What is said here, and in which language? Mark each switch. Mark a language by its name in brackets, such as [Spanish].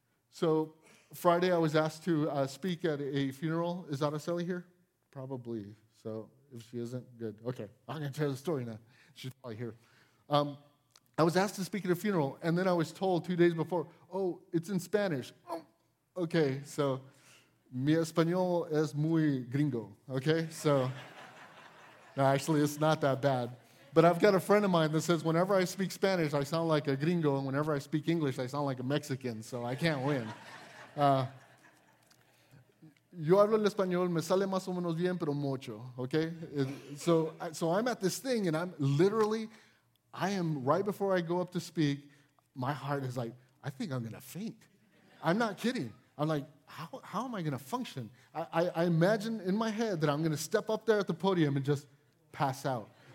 [English] So Friday I was asked to speak at a funeral. Is Araceli here? Probably. So if she isn't, good. Okay, I'm going to tell the story now. She's probably here. I was asked to speak at a funeral, and then I was told 2 days before, oh, it's in Spanish. Oh, okay, so, [Spanish] mi español es muy gringo, [English] okay? So, no, actually, it's not that bad. But I've got a friend of mine that says, whenever I speak Spanish, I sound like a gringo, and whenever I speak English, I sound like a Mexican, so I can't win. [Spanish] Yo hablo el español, me sale más o menos bien, pero mucho, okay? [English] So I'm at this thing, and I'm literally... I am, right before I go up to speak, my heart is like, I think I'm going to faint. I'm not kidding. I'm like, how am I going to function? I imagine in my head that I'm going to step up there at the podium and just pass out.